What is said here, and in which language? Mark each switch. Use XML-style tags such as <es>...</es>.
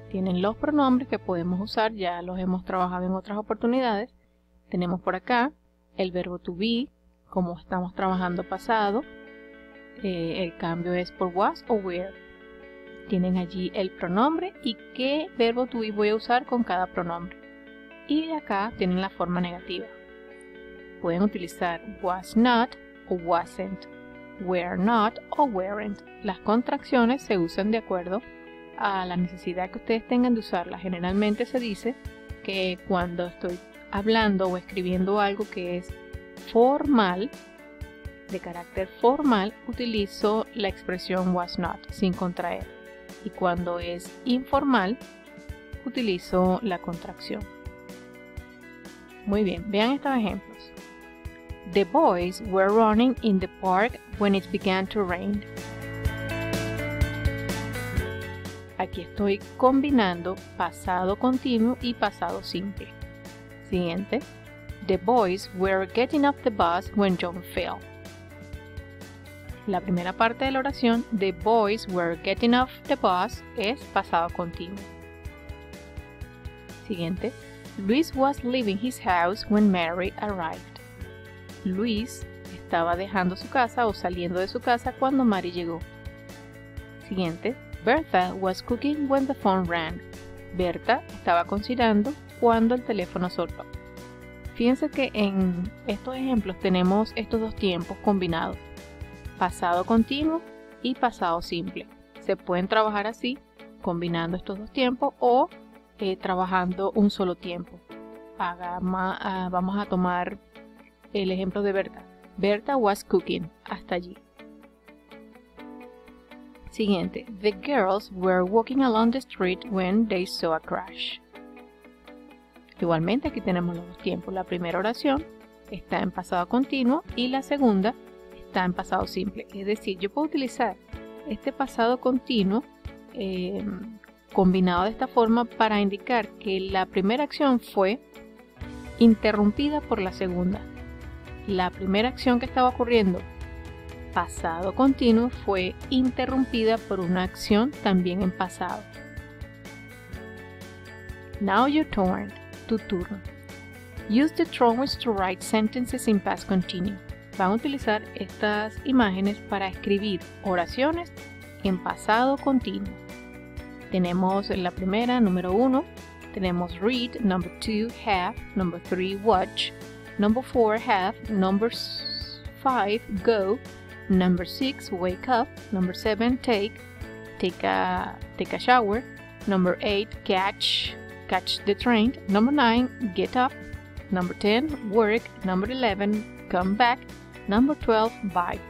<es>Tienen los pronombres que podemos usar, ya los hemos trabajado en otras oportunidades. Tenemos por acá el verbo to be, como estamos trabajando pasado. El cambio es por was o were. Tienen allí el pronombre y qué verbo to be voy a usar con cada pronombre. Y acá tienen la forma negativa. Pueden utilizar was not o wasn't, were not o weren't. Las contracciones se usan de acuerdo a la necesidad que ustedes tengan de usarlas. Generalmente se dice que cuando estoy hablando o escribiendo algo que es formal, de carácter formal, utilizo la expresión was not, sin contraer. Y cuando es informal, utilizo la contracción. Muy bien, vean estos ejemplos.</es> <en>The boys were running in the park when it began to rain.</en> <es>Aquí estoy combinando pasado continuo y pasado simple. Siguiente.</es> <en>The boys were getting off the bus when John fell.</en> <es>La primera parte de la oración,</es> <en>the boys were getting off the bus,</en> <es>es pasado continuo. Siguiente.</es> <en>Luis was leaving his house when Mary arrived.</en> <es>Luis estaba dejando su casa o saliendo de su casa cuando Mary llegó. Siguiente.</es> <en>Bertha was cooking when the phone rang.</en> <es>Bertha estaba cocinando cuando el teléfono sonó. Fíjense que en estos ejemplos tenemos estos dos tiempos combinados. Pasado continuo y pasado simple. Se pueden trabajar así, combinando estos dos tiempos o trabajando un solo tiempo. Vamos a tomar el ejemplo de Berta.</es> <en>Berta was cooking.</en> <es>Hasta allí. Siguiente.</es> <en>The girls were walking along the street when they saw a crash.</en> <es>Igualmente aquí tenemos los dos tiempos. La primera oración está en pasado continuo y la segunda está en pasado simple. Es decir, yo puedo utilizar este pasado continuo combinado de esta forma para indicar que la primera acción fue interrumpida por la segunda. La primera acción que estaba ocurriendo, pasado continuo, fue interrumpida por una acción también en pasado.</es> <en>Now your turn,</en> <es>tu turno.</es> <en>Use the drawings to write sentences in past continuo.</en> <es>Van a utilizar estas imágenes para escribir oraciones en pasado continuo. Tenemos en la primera, número 1, tenemos</es> <en>read, number 2, have, number 3, watch, number 4, have, number 5, go, number 6, wake up, number 7, take a shower, number 8, catch the train, number 9, get up, number 10, work, number 11, come back, number 12, bye.</en>